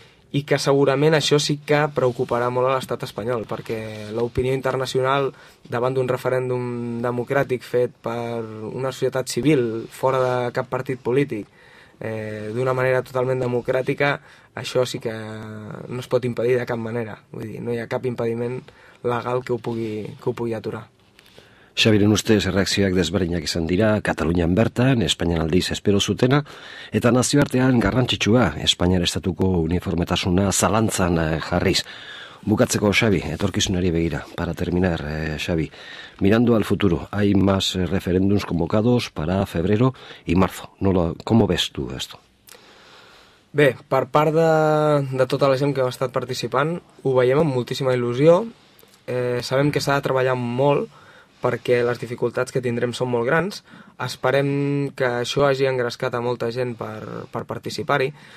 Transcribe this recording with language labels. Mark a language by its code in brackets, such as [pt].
[ca] i que segurament això sí que preocuparà molt a l'estat espanyol, perquè l'opinió internacional davant d'un referèndum democràtic fet per una societat civil fora de cap partit polític, d'una manera totalment democràtica, això sí que no es pot impedir de cap manera. Vull dir, no hi ha cap impediment legal que ho pugui aturar. [eu] Xabiren ustez reakzioak desberdinak izan dira, Katalunian bertan, Espainian aldiz espero zutena, eta nazioartean garrantzitsua, Espainiar estatuko uniformetasuna zalantzan jarriz. Bukatzeko, Xabi, etorkizunari begira, [es] para terminar, Xabi, mirando al futuro, hay más referéndums convocados para febrero y marzo. ¿Cómo ves tú esto? [ca] Bé, per part de tota la gent que ha estat participant, ho veiem amb moltíssima il·lusió. Sabem que s'ha de treballar molt perquè les dificultats que tindrem són molt grans. Esperem que això hagi engrescat a molta gent per participar-hi.